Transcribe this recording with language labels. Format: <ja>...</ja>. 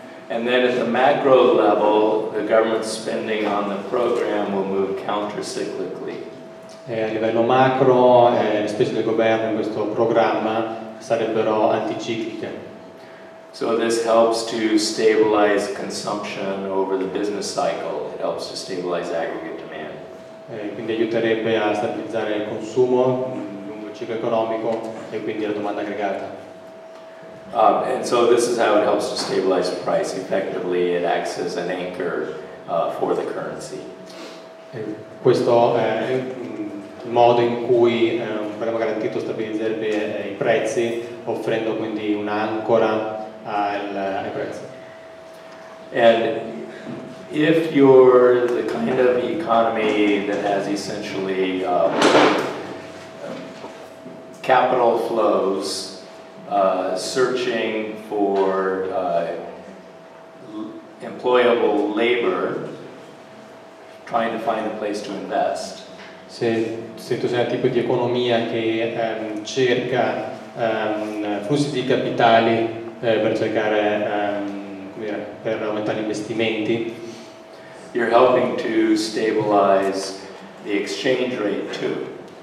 <en>And then at the macro level, the government spending on the program will move countercyclically.</en> <it>E a livello macro, le spese del governo in questo programma sarebbero anticicliche.</it> <en>So this helps to stabilize consumption over the business cycle. It helps to stabilize aggregate demand.</en> <it>Quindi aiuterebbe a stabilizzare il consumo lungo il ciclo economico e quindi la domanda aggregata.</it> <en>And so this is how it helps to stabilize the price. Effectively, it acts as an anchor for the currency.</en> <it>Questo è il modo in cui un programma garantito stabilizzerebbe i prezzi, offrendo quindi un'ancora ai prezzi.</it> <en>And if you're the kind of economy that has essentially capital flows searching for employable labor, trying to find a place to invest.</en> <it>Se tu sei un tipo di economia che cerca flussi di capitali per cercare per aumentare gli investimenti,</it> <en>you're helping to stabilize the exchange rate too.</en>